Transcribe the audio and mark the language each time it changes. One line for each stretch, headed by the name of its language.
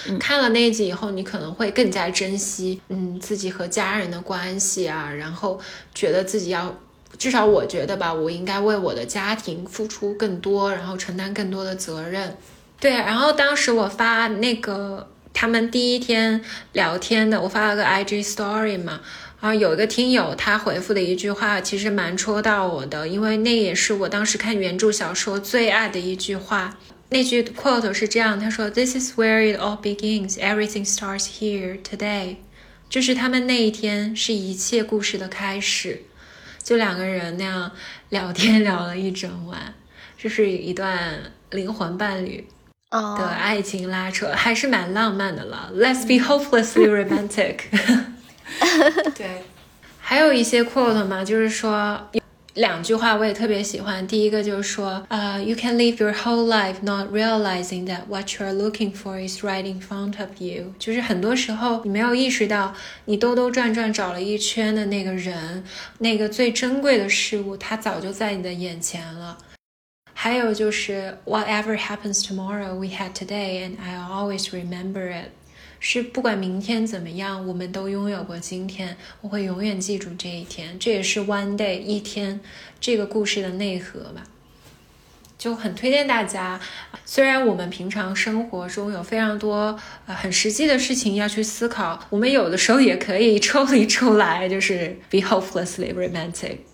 Chinese: 看了那一集以后你可能会更加珍惜自己和家人的关系啊，然后觉得自己要，至少我觉得吧，我应该为我的家庭付出更多，然后承担更多的责任。对，然后当时我发那个他们第一天聊天的，我发了个 IG story 嘛，然后有一个听友他回复的一句话其实蛮戳到我的，因为那也是我当时看原著小说最爱的一句话。那句 quote 是这样，他说
English: This is where it all begins, everything starts here today.
Chinese: 就是他们那一天是一切故事的开始，就两个人那样聊天聊了一整晚，就是一段灵魂伴侣的爱情拉扯，还是蛮浪漫的了。
English: Let's be hopelessly romantic.
Chinese: 对，还有一些 quote 嘛，就是说两句话我也特别喜欢。第一个就是说
English: you can live your whole life not realizing that what you're looking for is right in front of you.
Chinese: 就是很多时候你没有意识到你兜兜转转找了一圈的那个人，那个最珍贵的事物，它早就在你的眼前了。还有就是
English: Whatever happens tomorrow, we had today, and I'll always remember it.
Chinese: 是不管明天怎么样，我们都拥有过今天，我会永远记住这一天。这也是 one day, 一天，这个故事的内核吧。就很推荐大家，虽然我们平常生活中有非常多很实际的事情要去思考，我们有的时候也可以抽离出来，就是
English: be hopelessly romantic。